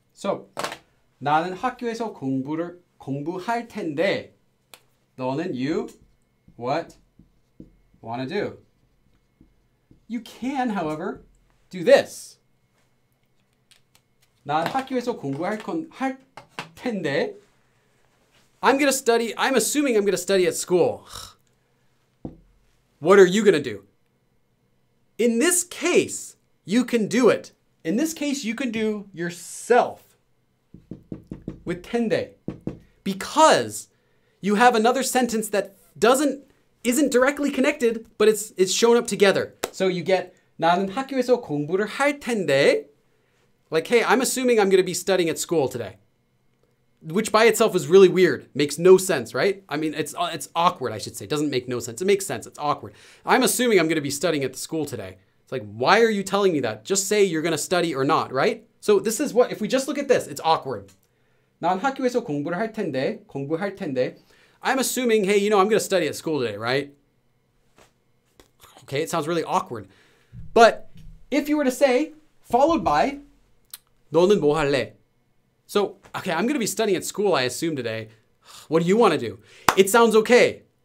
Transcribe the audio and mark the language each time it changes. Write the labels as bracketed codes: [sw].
[ko] So, 나는 학교에서 공부할 텐데. 너는 [en] you? What? Want to do? You can, however, do this. [ko] 난 학교에서 공부할 할 텐데. [en] I'm going to study. I'm assuming I'm going to study at school. What are you going to do? In this case, you can do it. In this case, you can do yourself with 텐데. Because you have another sentence that isn't directly connected, but it's shown up together. So you get [ko] 나는 학교에서 공부를 할 텐데. [en] Like, hey, I'm assuming I'm going to be studying at school today. Which by itself is really weird. Makes no sense, right? I mean, it's awkward, I should say. It doesn't make no sense. It makes sense. It's awkward. I'm assuming I'm going to be studying at the school today. It's like, why are you telling me that? Just say you're going to study or not, right? So this is what, if we just look at this, it's awkward. [ko] 난 학교에서 공부를 할 텐데, 공부할 텐데. [en] I'm assuming, hey, you know, I'm going to study at school today, right? Okay, it sounds really awkward. But if you were to say, followed by, [ko] 너는 뭐 할래? [en] So, okay, I'm going to be studying at school, I assume, today. What do you want to do? It sounds okay.